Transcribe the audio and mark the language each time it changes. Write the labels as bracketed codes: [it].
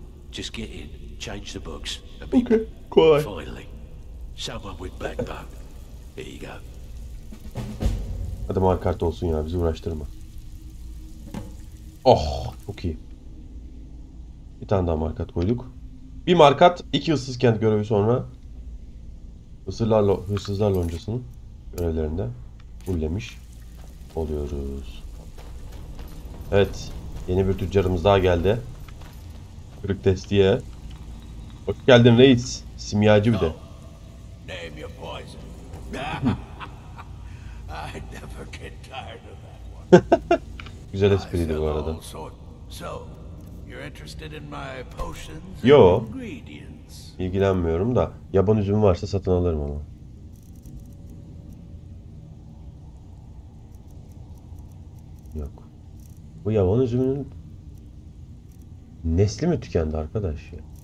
[en] Just get in, change the books. Okay, quiet. Finally, someone with backbone. Here you go. [tr] Adam arkart olsun ya, bizi uğraştırma. Oh, çok iyi. Bir tane daha markat koyduk. Bir markat, iki hırsız kent görevi sonra hırsızlar loncasının görevlerinde fullemiş oluyoruz. Evet, yeni bir tüccarımız daha geldi. Kırık testiye. Hoş geldin reis. Simyacı bir de. [en] Name your poison. I never get tired of that one. [tr] Güzel espriydi bu arada. [en] So, you're interested in my potions? [tr] Yo. İlgilenmiyorum da. Yaban üzümü varsa satın alırım ama. Yok. Bu yaban üzümünün nesli mi tükendi arkadaş ya?